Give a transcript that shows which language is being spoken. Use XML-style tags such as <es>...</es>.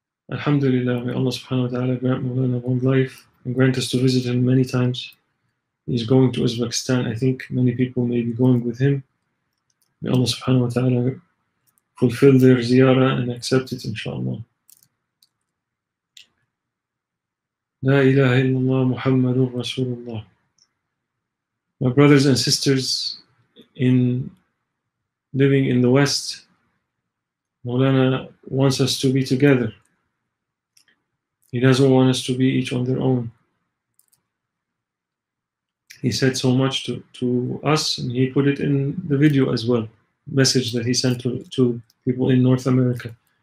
<en>Alhamdulillah, may Allah subhanahu wa ta'ala grant Mawlana long life and grant us to visit him many times. He's going to Uzbekistan. I think many people may be going with him. May Allah subhanahu wa ta'ala fulfill their ziyarah and accept it, inshallah.</en> <ar>لا إله إلا الله محمد رسول الله.</ar> <en>My brothers and sisters in living in the West, Mawlana wants us to be together. He doesn't want us to be each on their own. He said so much to us, and he put it in the video as well, message that he sent to people in North America.</en>